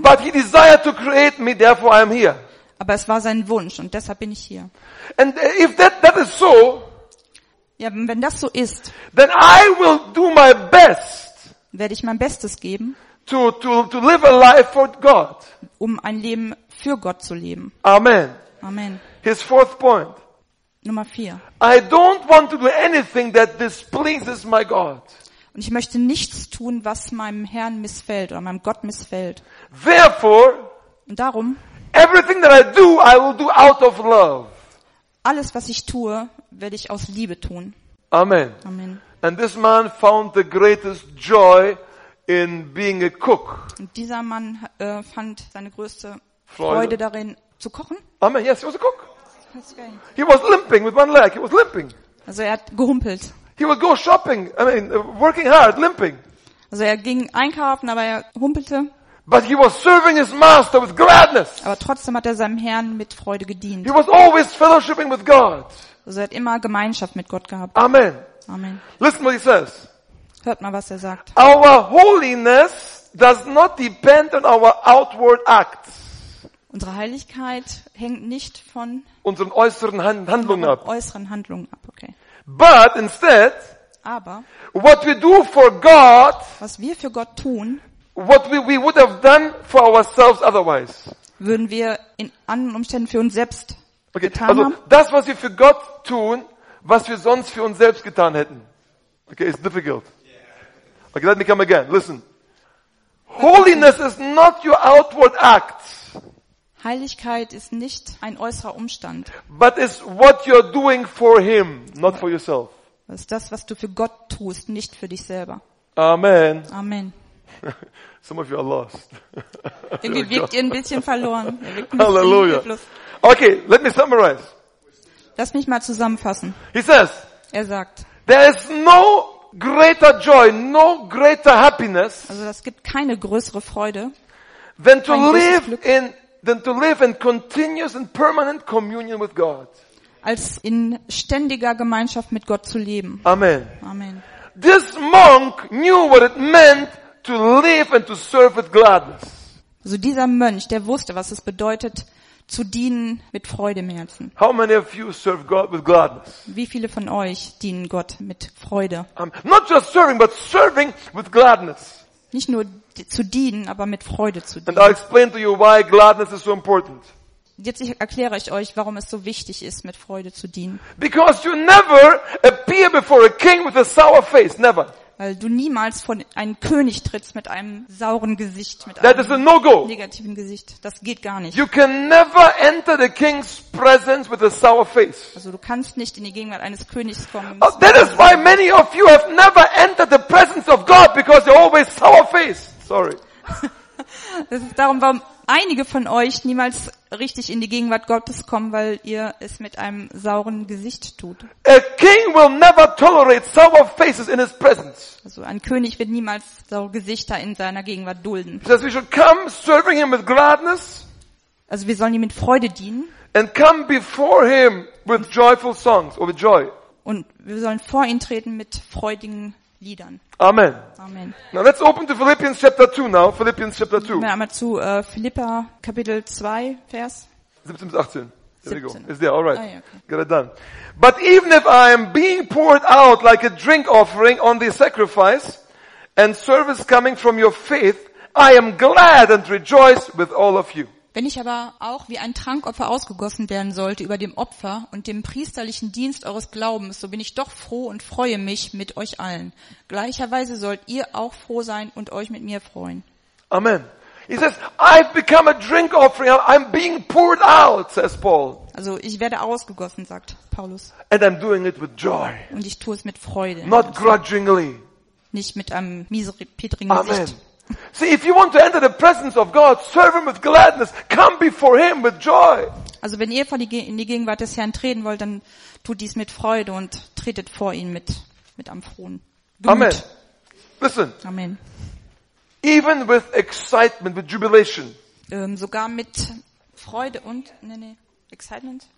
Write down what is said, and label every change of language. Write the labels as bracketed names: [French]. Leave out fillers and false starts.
[English] But he desired to create me, therefore I am here. [German] Aber es war sein Wunsch und deshalb bin ich hier. [English] And if that is so, [German] ja, wenn das so ist, [English] then I will do my best, [German] werde ich mein Bestes geben, [English] to live a life for God, [German] um ein Leben für Gott zu leben. [English] Amen. [German] Amen. [English] His fourth point. [German] Nummer vier. [English] I don't want to do anything that displeases my God. [German] Und ich möchte nichts tun, was meinem Herrn missfällt oder meinem Gott missfällt. [English] Therefore. [German] Und darum. [English] Everything that I do, I will do out of love. [German] Alles, was ich tue, werde ich aus Liebe tun. [English] Amen. [German] Amen. [English] And this man found the greatest joy in being a cook. [German] Und dieser Mann fand seine größte Freude darin zu kochen. [English] Amen. Yes, he was a cook. He was limping with one leg. He was limping. [German] Also er hat gehumpelt. [English] He would go shopping. I mean, working hard, limping. [German] Also er ging einkaufen, aber er humpelte. [English] But he was serving his master with gladness. [German] Aber trotzdem hat er seinem Herrn mit Freude gedient. [English] He was always fellowshipping with God. [German] Also er hat immer Gemeinschaft mit Gott gehabt. [English] Amen. [German] Amen. [English] Listen what he says. [German] Hört mal, was er sagt. [English] Our holiness does not depend on our outward acts. [German] Unsere Heiligkeit hängt nicht von unseren äußeren Handlungen ab. [English] Okay. But instead, [German] aber [English] what we do for God, [German] was wir für Gott tun, [English] what we would have done for ourselves otherwise, [German] würden wir in anderen Umständen für uns selbst [English] okay. [German] getan also, haben. Das, was wir für Gott tun, was wir sonst für uns selbst getan hätten. [English] Okay, it's difficult. Okay, let me come again. Listen. Holiness is not your outward act. [German] Heiligkeit ist nicht ein äußerer Umstand. [English] But it's what you're doing for him, not for yourself. [German] Das ist das, was du für Gott tust, nicht für dich selber. [English] Amen. [German] Amen. [English] Some of you are lost. [German] Irgendwie wirkt ihr ein bisschen verloren. [English] Halleluja. Okay, let me summarize. [German] Lass mich mal zusammenfassen. [English] He says, [German] er sagt, [English] there is no greater joy, no greater happiness. [German] Also es gibt keine größere Freude. [English] Than to live in continuous and permanent communion with God. [German] Als in ständiger Gemeinschaft mit Gott zu leben. [English] Amen. [German] Amen. [English] This monk knew what it meant to live and to serve with gladness. [German] Also dieser Mönch, der wusste, was es bedeutet, zu dienen mit Freude im Herzen. [English] How many of you serve God with gladness? [German] Wie viele von euch dienen Gott mit Freude? [English] Not just serving, but serving with gladness. [German] Nicht nur zu dienen, aber mit Freude zu dienen. [English] And I'll explain to you why gladness is so important. [German] Jetzt erkläre ich euch, warum es so wichtig ist, mit Freude zu dienen. [English] Because you never appear before a king with a sour face, never. [German] Weil du niemals vor einen König trittst mit einem sauren Gesicht, mit [English] that [German] einem [English] no-go. [German] Negativen Gesicht. Das geht gar nicht. [English] You can never enter the king's presence with a sour face. [German] Also du kannst nicht in die Gegenwart eines Königs kommen. [English] That is why many of you have never entered the presence of God, because you're always sour face. Sorry. [German] Das ist darum, warum einige von euch niemals richtig in die Gegenwart Gottes kommen, weil ihr es mit einem sauren Gesicht tut. [English] A king will never tolerate sour faces in his presence. [German] Also ein König wird niemals saure Gesichter in seiner Gegenwart dulden. [English] He says we should come serving him with gladness. [German] Also wir sollen ihm mit Freude dienen. [English] And come before him with joyful songs or with joy. [German] Und wir sollen vor ihn treten mit freudigen Liedern. [English] Amen. [German] Amen. [English] Now let's open to Philippians chapter 2 now. Philippians chapter 2. [German] Wir einmal zu Philipper Kapitel 2 Vers 17 bis 18. [English] There we go. Is there all right? Oh, yeah, okay. Got it done. But even if I am being poured out like a drink offering on the sacrifice and service coming from your faith, I am glad and rejoice with all of you. [German] Wenn ich aber auch wie ein Trankopfer ausgegossen werden sollte über dem Opfer und dem priesterlichen Dienst eures Glaubens, so bin ich doch froh und freue mich mit euch allen. Gleicherweise sollt ihr auch froh sein und euch mit mir freuen. [English] Amen. He says, I've become a drink offering. I'm being poured out, says Paul. [German] Also ich werde ausgegossen, sagt Paulus. [English] And I'm doing it with joy. [German] Und ich tue es mit Freude. [English] Not grudgingly. [German] Nicht mit einem miesepetrigen Gesicht. [English] Amen. See, if you want to enter the presence of God, serve him with gladness. Come before him with joy. [German] Also, wenn ihr in die Gegenwart des Herrn treten wollt, dann tut dies mit Freude und tretet vor ihn mit einem frohen Gemüt. [English] Amen. Listen. [German] Amen. [English] Even with excitement, with jubilation. [German] Sogar mit Freude und excitement.